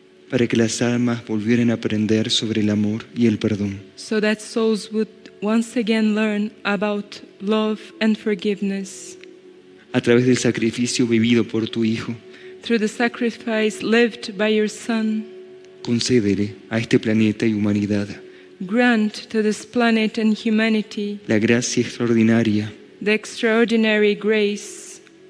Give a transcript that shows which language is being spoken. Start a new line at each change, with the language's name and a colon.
Spanish: para que las almas volvieran a aprender sobre el amor y el perdón.
English: So that souls would once again learn about love and forgiveness.
Spanish: A través del sacrificio vivido por tu hijo.
English: Through the sacrifice lived by your son.
Spanish: Concédele a este planeta y humanidad.
English: Grant to this planet and humanity.
Spanish: La gracia extraordinaria.
English: The extraordinary grace